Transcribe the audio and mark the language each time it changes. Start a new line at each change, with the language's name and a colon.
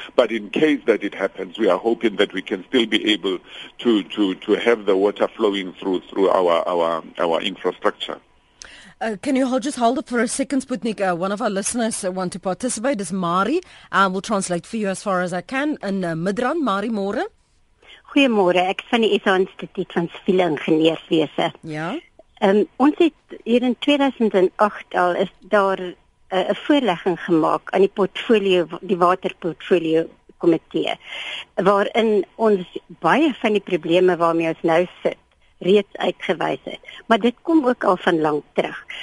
English: But in case that it happens, we are hoping that we can still be able to have the water flowing through our infrastructure. Can you just hold up for a second, Sputnik? One of our listeners want to participate. This is Mari. We'll translate for you as far as I can. In Midrand, Mari Moore.
Afrikaans: Goeiemôre. Ek van die SA Instituut van Siviele Ingenieurswese. Ja. Ons het hier in 2008 al is daar 'n voorlegging gemaak aan die portfolio, die waterportfolio komitee, waarin ons baie van die probleme waarmee ons nou sit reeds uitgewys het. Maar dit kom ook al van lank terug.